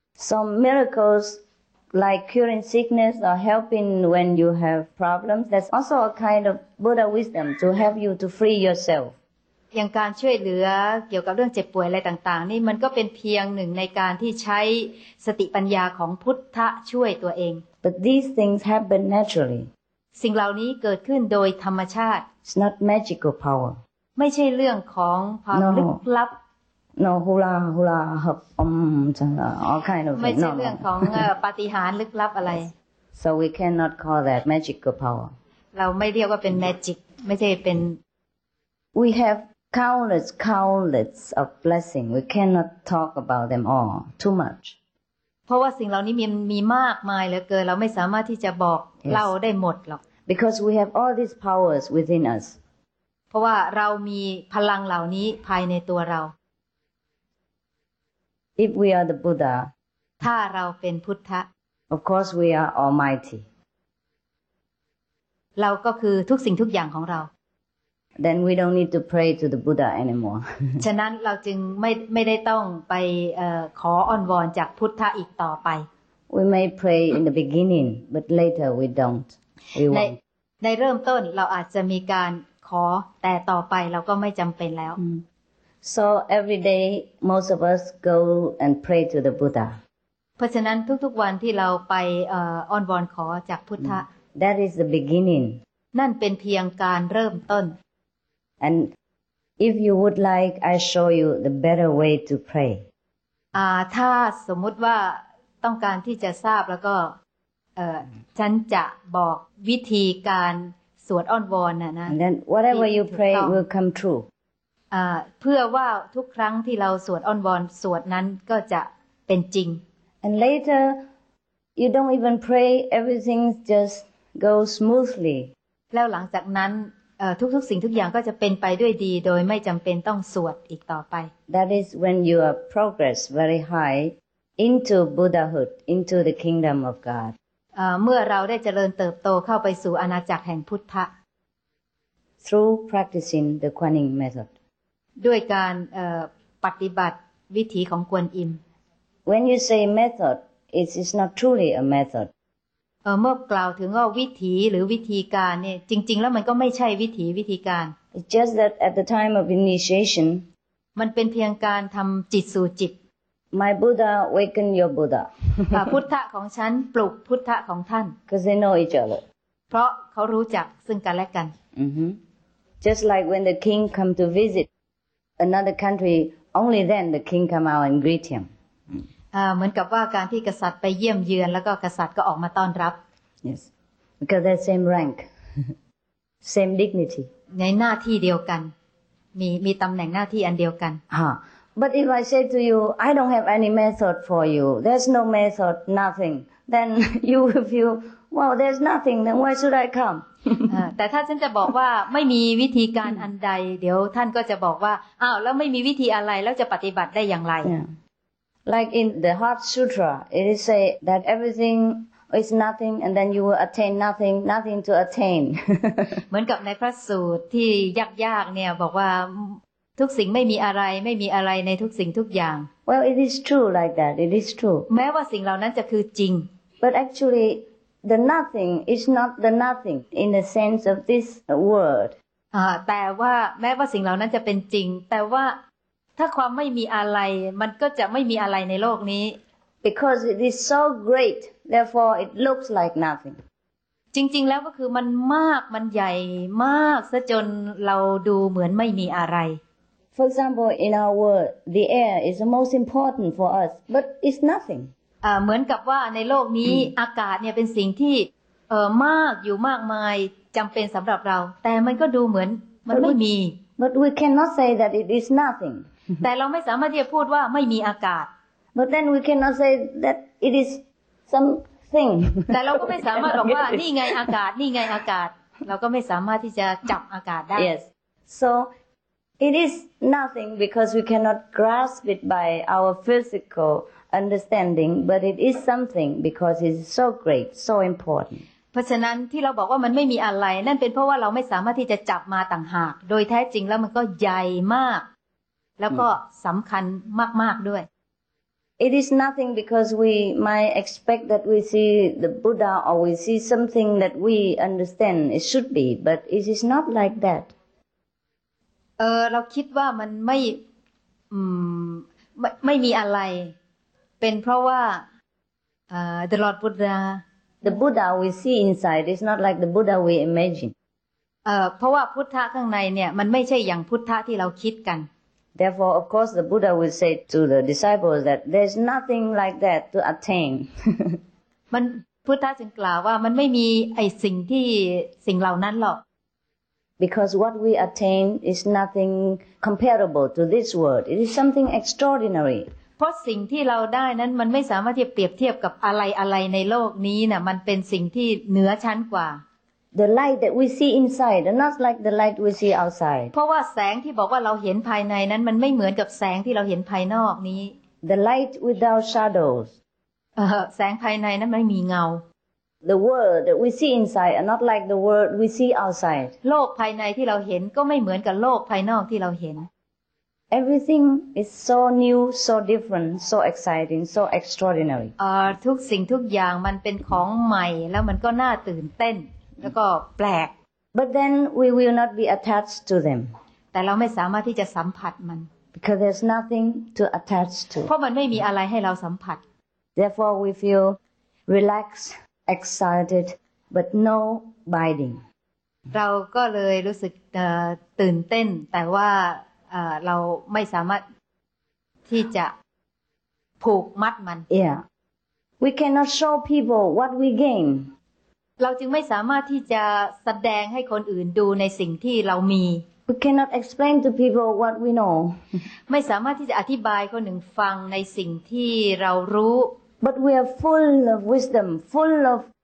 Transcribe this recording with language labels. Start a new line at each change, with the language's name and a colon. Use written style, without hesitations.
English: some miraclesLike curing sickness or helping when you have problems, that's also a kind of Buddha wisdom to help you to free yourself.
Thai: อย่างการช่วยเหลือเกี่ยวกับเรื่องเจ็บป่วยอะไรต่างๆนี่มันก็เป็นเพียงหนึ่งในการที่ใช้สติปัญญาของพุทธะช่วยตัวเอง
English: But these things happen naturally.
Thai: สิ่งเหล่านี้เกิดขึ้นโดยธรรมชาติ
English: It's not magical power.
Thai: ไม่ใช่เรื่องของความลึกลับ
English: No hula hula hub all kind of no.
Thai: ไม่ใช่เรื่องของปาฏิหาริย์ลึกลับอะไร
English: So we cannot call that magical power.
Thai: เราไม่เรียกว่าเป็น magic ไม่ใช่เป็น
English: We have countless of blessing. We cannot talk about them all too much.
Thai: เพราะว่าสิ่งเหล่านี้มีมากมายเหลือเกินเราไม่สามารถที่จะบอกเล่าได้หมดหรอก
English: Because we have all these powers within us.
Thai: เพราะว่าเรามีพลังเหล่านี้ภายในตัวเรา
English: If we are the Buddha,
Thai: ถ้าเราเป็นพุทธะ
English: of course we are almighty.
Thai: เราก็คือทุกสิ่งทุกอย่างของเรา
English: Then we don't need to pray to the Buddha anymore.
Thai: ฉะนั้นเราจึงไม่ได้ต้องไปขออ้อนวอนจากพุทธะอีกต่อไป
English: We may pray in the beginning, but later we don't. We won't.
Thai: ในเริ่มต้นเราอาจจะมีการขอแต่ต่อไปเราก็ไม่จำเป็นแล้ว
English: So every day, most of us go and pray to the Buddha.
Thai: เพราะฉะนั้นทุกๆวันที่เราไปอ้อนวอนขอจากพุทธะ
English: That is the beginning.
Thai: นั่นเป็นเพียงการเริ่มต้น
English: And if you would like, I show you the better way to pray.
Thai: ถ้าสมมติว่าต้องการที่จะทราบแล้วก็ฉันจะบอกวิธีการสวดอ้อนวอนนะ
English: And then whatever you pray will come true.
Thai: เพื่อว่าทุกครั้งที่เราสวดอ้อนวอนสวดนั้นก็จะเป็นจริง
English: And later you don't even pray everything just goes smoothly
Thai: แล้วหลังจากนั้น ทุกสิ่งทุกอย่างก็จะเป็นไปด้วยดีโดยไม่จำเป็นต้องสวดอีกต่อไป
English: That is when you are progress very high into Buddhahood into the kingdom of God
Thai: เมื่อเราได้เจริญเติบโตเข้าไปสู่อาณาจักรแห่งพุทธะ
English: through practicing the Kuan Yin method
Thai: ด้วยการปฏิบัติวิธีของกวนอิม
English: When you say method it is not truly a method
Thai: เมื่อกล่าวถึงว่าวิธีหรือวิธีการเนี่ยจริงๆแล้วมันก็ไม่ใช่วิธีวิธีการ
English: It's just that at the time of initiation
Thai: มันเป็นเพียงการทําจิตสู่จิต
English: My Buddha awaken your Buddha
Thai: พุทธะของฉันปลุกพุทธะของท่าน
English: Because they know each other
Thai: เพราะเขารู้จักซึ่งกันและกัน
English: Just like when the king come to visit another country only then the king come out and greet him
Thai: เหมือนกับว่าการที่กษัตริย์ไปเยี่ยมเยือนแล้วก็กษัตริย์ก็ออกมาต้อนรับ
English: Yes because they're same rank same dignity
Thai: ในหน้าที่เดียวกันมีตำแหน่งหน้าที่อันเดียวกัน
English: But if I say to you I don't have any method for you there's no method nothing then you will feel well there's nothing then why should I come
Thai: แต่ถ้าฉันจะบอกว่าไม่มีวิธีการอันใดเดี๋ยวท่านก็จะบอกว่าอ้าวแล้วไม่มีวิธีอะไรแล้วจะปฏิบัติได้อย่างไร
English: yeah. Like in the Heart Sutra, it is say that everything is nothing, and then you will attain nothing, nothing to attain.
Thai: เหมือนกับในพระสูตรที่ยากๆเนี่ยบอกว่าทุกสิ่งไม่มีอะไรไม่มีอะไรในทุกสิ่งทุกอย่าง
English: Well, it is true like that. It is true.
Thai: แม้ว่าสิ่งเหล่านั้นจะคือจริง
English: But actually, the nothing is not the nothing in the sense of this word.
Thai: แต่ว่าแม้ว่าสิ่งเหล่านั้นจะเป็นจริงแต่ว่าถ้าความไม่มีอะไรมันก็จะไม่มีอะไรในโลกนี้
English: because it is so great therefore it looks like nothing
Thai: จริงๆแล้วก็คือมันมากมันใหญ่มากซะจนเราดูเหมือนไม่มีอะไร
English: for example in our world the air is the most important for us but it's nothing
Thai: เหมือนกับว่าในโลกนี้อากาศเนี่ยเป็นสิ่งที่มากอยู่มากมายจําเป็นสําหรับเราแต่มันก็ดูเหมือนมันไม่มี
English: but we cannot say that it is nothing
Thai: แต่เราไม่สามารถที่จะพูดว่าไม่มีอากาศ
English: But then we cannot say that it is something
Thai: แต่เราก็ไม่สามารถบอกว่านี่ไงอากาศนี่ไงอากาศเราก็ไม่สามารถที่จะจับอากาศได้
English: Yes so it is nothing because we cannot grasp it by our physical understanding but it is something because it is so great so important
Thai: เพราะฉะนั้นที่เราบอกว่ามันไม่มีอะไรนั่นเป็นเพราะว่าเราไม่สามารถที่จะจับมาต่างหากโดยแท้จริงแล้วมันก็ใหญ่มากแล้วก็สำคัญมากๆด้วย
English: It is nothing because we might expect that we see the Buddha or we see something that we understand it should be but it is not like that
Thai: เราคิดว่ามันไม่มีอะไรเป็นเพราะว่า
English: the Lord Buddha the Buddha we see inside is not like the Buddha we imagine
Thai: เพราะว่าพุทธะข้างในเนี่ยมันไม่ใช่อย่างพุทธะที่เราคิดกัน
English: Therefore, of course, the Buddha would say to the disciples that there's nothing like that to attain.
Thai: มันพุทธะจึงกล่าวว่ามันไม่มีไอ้สิ่งที่สิ่งเหล่านั้นหรอก
English: Because what we attain is nothing comparable to this world. It is something extraordinary.
Thai: เพราะสิ่งที่เราได้นั้นมันไม่สามารถที่จะเปรียบเทียบกับอะไรๆในโลกนี้น่ะมันเป็นสิ่งที่เหนือชั้นกว่า
English: The light that we see inside, not like the light we see outside.
Thai: เพราะว่าแสงที่บอกว่าเราเห็นภายในนั้นมันไม่เหมือนกับแสงที่เราเห็นภายนอกนี้
English: The light without shadows.
Thai: แสงภายในนั้นไม่มีเงา
English: The world that we see inside, not like the world we see outside.
Thai: โลกภายในที่เราเห็นก็ไม่เหมือนกับโลกภายนอกที่เราเห็น
English: Everything is so new, so different, so exciting, so extraordinary.
Thai: ทุกสิ่งทุกอย่างมันเป็นของใหม่แล้วมันก็น่าตื่นเต้นแล้วก็แปลก
English: but then we will not be attached to them
Thai: แต่เราไม่สามารถที่จะสัมผัสมัน
English: because there's nothing to attach to
Thai: เพราะมันไม่มีอะไรให้เราสัมผัส
English: therefore we feel relaxed excited but no binding
Thai: เราก็เลยรู้สึกตื่นเต้นแต่ว่าเราไม่สามารถที่จะผูกมัดมัน
English: yeah we cannot show people what we gain
Thai: เราจึงไม่สามารถที่จะแสดงให้คนอื่นดูในสิ่งที่เรามี
English: We cannot explain to people what we know
Thai: ไม่สามารถที่จะอธิบายคนหนึ่งฟังในสิ่งที่เรารู้
English: But we are full of wisdom full of